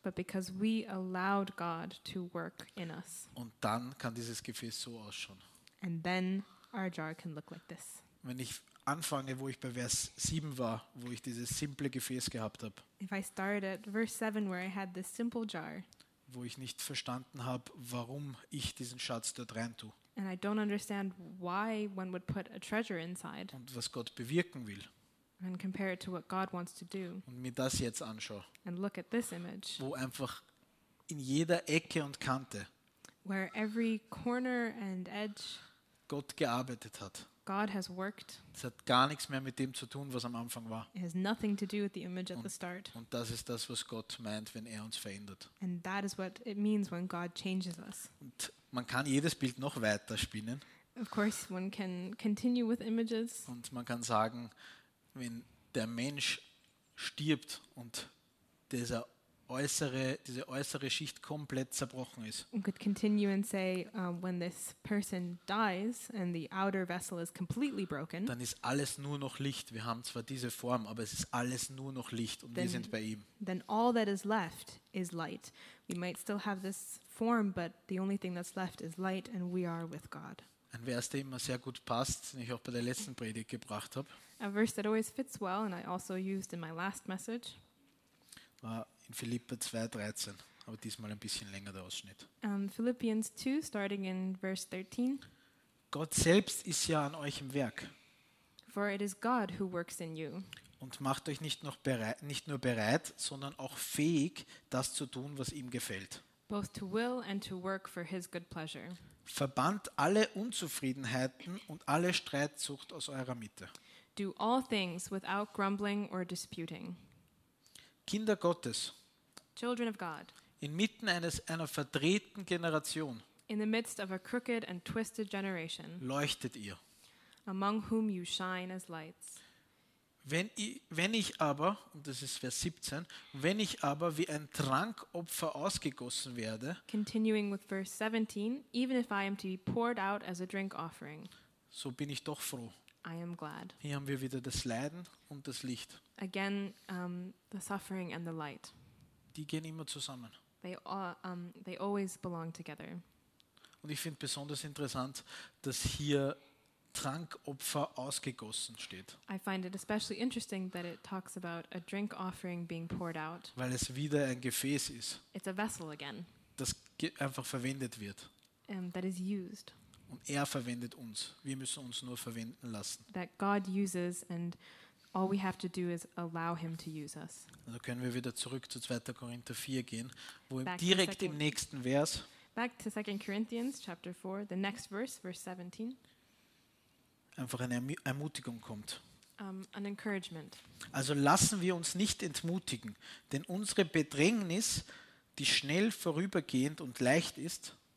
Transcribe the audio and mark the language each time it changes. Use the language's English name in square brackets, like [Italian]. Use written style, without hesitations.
[English] But because we allowed God to work in us. [German] Und dann kann dieses Gefäß so ausschauen. [English] And then our jar can look like this. [German] Wenn ich anfange, wo ich bei Vers 7 war, wo ich dieses simple Gefäß gehabt habe. [English] If I started at verse 7 where I had this simple jar. [German] Wo ich nicht verstanden habe, warum ich diesen Schatz dort rein tue. [English] And I don't understand why one would put a treasure inside. [German] Und was Gott bewirken will. [English] And compare it to what God wants to do. [German] Und mir das jetzt anschaue. [English] And look at this image. [German] Wo einfach in jeder Ecke und Kante. [English] Where every corner and edge. [German] Gott gearbeitet hat. [English] God has worked. [German] Es hat gar nichts mehr mit dem zu tun, was am Anfang war. [English] It has nothing to do with the image at the start. [German] Und das ist das, was Gott meint, wenn er uns verändert. [English] And that is what it means when God changes us. [German] Und man kann jedes Bild noch weiter spinnen. [English] Of course, one can continue with images. [German] Und man kann sagen, wenn der Mensch stirbt und diese äußere Schicht komplett zerbrochen ist. [English] We could continue and say, when this person dies and the outer vessel is completely broken. [German] Dann ist alles nur noch Licht. Wir haben zwar diese Form, aber es ist alles nur noch Licht und [English] then, [German] wir sind bei ihm. [English] Then all that is left is light. We might still have this form, but the only thing that's left is light and we are with God. [German] Ein Vers, der immer sehr gut passt, den ich auch bei der letzten Predigt gebracht habe. [English] A verse that always fits well and I also used in my last message. [German] War in Philipper 2:13, aber diesmal ein bisschen länger der Ausschnitt. [English] Philippians 2 starting in verse 13. [German] Gott selbst ist ja an euch im Werk. [English] For it is God who works in you. [German] Und macht euch nicht nur bereit, sondern auch fähig, das zu tun, was ihm gefällt. [English] Both to will and to work for his good pleasure. [German] Verbannt alle Unzufriedenheiten und alle Streitsucht aus eurer Mitte. [English] Do all things without grumbling or disputing. [German] Kinder Gottes. [English] Children of God. [German] Inmitten einer verdrehten Generation. [English] In the midst of a crooked and twisted generation. [German] Leuchtet ihr. [English] Among whom you shine as lights. [German] Wenn ich aber, und das ist Vers 17, wenn ich aber wie ein Trankopfer ausgegossen werde, [English] continuing with verse 17, even if I am to be poured out as a drink offering, [German] so bin ich doch froh. [English] I am glad. [German] Hier haben wir wieder das Leiden und das Licht. [English] Again, the suffering and the light. [German] Die gehen immer zusammen. [English] They always belong together. [German] Und ich finde besonders interessant, dass hier Trankopfer ausgegossen steht. [English] I find it especially interesting that it talks about a drink offering being poured out. [German] Weil es wieder ein Gefäß ist. [English] It's a vessel again. [German] Das einfach verwendet wird. [English] That is used. [German] Und er verwendet uns. Wir müssen uns nur verwenden lassen. [English] That God uses and all we have to do is allow him to use us. [German] Also können wir wieder zurück zu 2. Korinther 4 gehen, wo back direkt im nächsten Vers. [English] Back to 2 Corinthians chapter 4, the next verse, verse 17. [German] Einfach eine Ermutigung kommt. [English] An encouragement. [German] Also lassen wir uns nicht entmutigen, denn unsere Bedrängnis, die schnell vorübergehend und leicht ist,